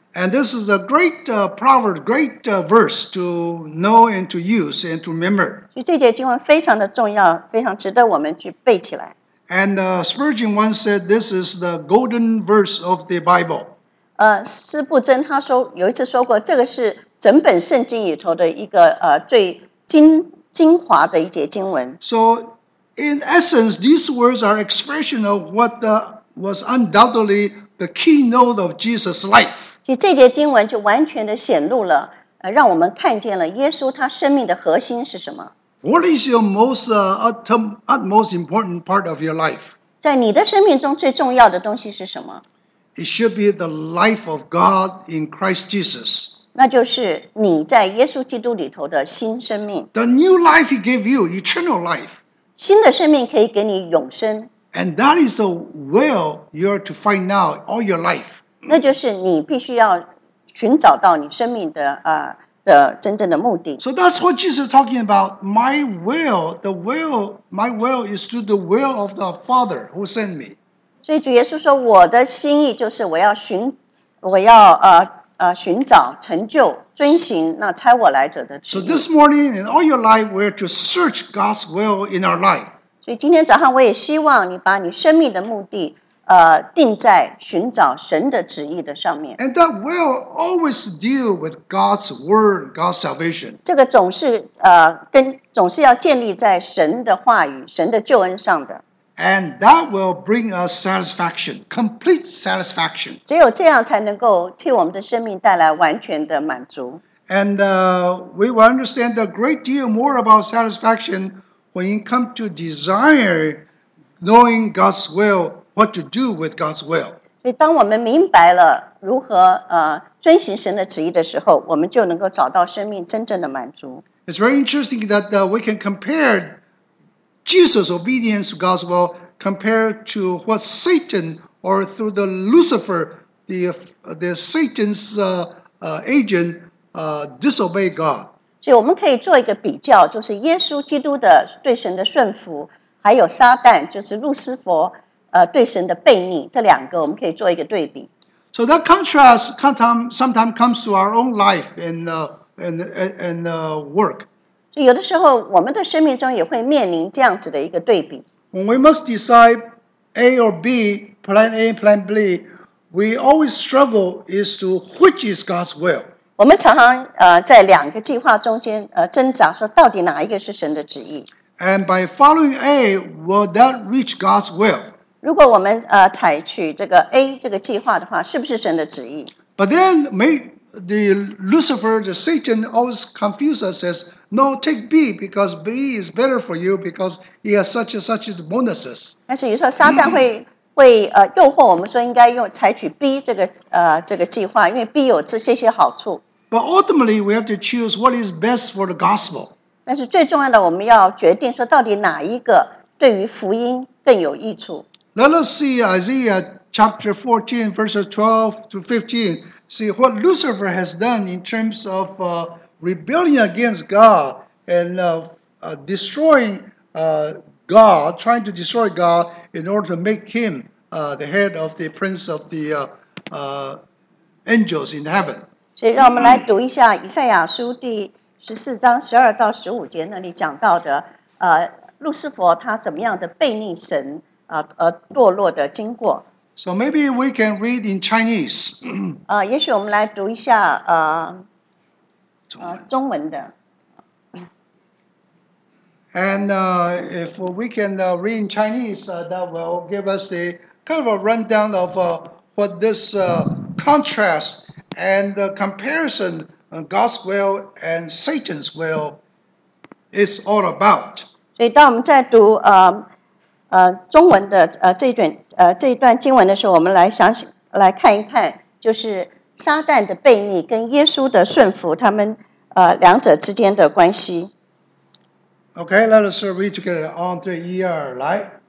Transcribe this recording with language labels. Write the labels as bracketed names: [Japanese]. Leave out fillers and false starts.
[English] And this is a great proverb, great verse to know and to use and to remember. [Chinese] 所以这节经文非常的重要，非常值得我们去背起来。 [English] And Spurgeon once said, "This is the golden verse of the Bible." [Chinese] 斯布珍他说有一次说过，这个是整本圣经里头的一个最精华的一节经文。 [English] So, in essence, these words are expression of what was undoubtedly the keynote of Jesus' life. [Chinese] 其实这节经文就完全的显露了，让我们看见了耶稣他生命的核心是什么。 [English] What is your most utmost important part of your life? [Chinese] 在你的生命中最重要的东西是什么？ [English] It should be the life of God in Christ Jesus. [Chinese] 那就是你在耶稣基督里头的新生命。 [English] The new life He gave you, eternal life. [Chinese] 新的生命可以给你永生。 [English] And that is the will you are to find out all your life. [Chinese] 那就是你必须要寻找到你生命的的真正的目的。 [English] So that's what Jesus is talking about. My will is to the will of the Father who sent me. [Chinese] 所以主耶稣说，我的心意就是我要寻找成就，遵行那差我来者的旨意。 [English] So this morning in all your life, we're to search God's will in our life. [Chinese] 所以今天早上我也希望你把你生命的目的定在寻找神的旨意的上面。 [English] And that will always deal with God's word, God's salvation. [Chinese] 这个总是跟总是要建立在神的话语、神的救恩上的。 [English] And that will bring us satisfaction, complete satisfaction. [Chinese] 只有这样才能够替我们的生命带来完全的满足。 [English] And we will understand a great deal more about satisfaction when you come to desire knowing God's will, what to do with God's will. [Chinese] 所以当我们明白了如何遵循神的旨意的时候，我们就能够找到生命真正的满足。 [English] It's very interesting that we can compare Jesus' obedience to God's will compared to what Satan or through the Lucifer, the Satan's agent,disobey God. [Chinese] 所以我们可以做一个比较，就是耶稣基督的对神的顺服，还有撒旦，就是路斯佛，对神的悖逆，这两个我们可以做一个对比。 [English] So that contrast sometimes comes to our own life and work. [Chinese] 所以有的时候我们的生命中也会面临这样子的一个对比。 [English] When we must decide A or B, plan A, plan B, we always struggle as to which is God's will. [Chinese] 我们常常在两个计划中间挣扎，说到底哪一个是神的旨意 [English] ？And by following A, will that reach God's will? [Chinese] 如果我们采取这个 A 这个计划的话，是不是神的旨意 [English] ？But then may the Lucifer, the Satan, always confuse us, says, "No, take B because B is better for you because he has such and such bonuses." [Chinese] 但是有时候撒旦会。会诱惑我们说应该用采取 B 这个计划，因为 B 有这些些好处。 [English] But ultimately, we have to choose what is best for the gospel. [Chinese] 但是最重要的，我们要决定说到底哪一个对于福音更有益处。 [English] Let us see Isaiah chapter 14, verses 12 to 15. See what Lucifer has done in terms of rebelling against God and destroying God, trying to destroy God. In order to make him the head of the prince of the angels in heaven. [Chinese] 所以让我们来读一下以赛亚书第十四章十二到十五节那里讲到的路斯佛他怎么样的悖逆神而堕落的经过。 [English] So maybe we can read in Chinese. [Chinese] 也许我们来读一下中文的。 [English] And if we can read in Chinese, that will give us a kind of a rundown of what this contrast and the comparison of God's will and Satan's will is all about. [Chinese] 所以当我们在读中文的这一段经文的时候，我们来详细来看一看，就是撒旦的悖逆跟耶稣的顺服，他们两者之间的关系。 [English] Okay, let us read together on three, [Chinese] 一二来。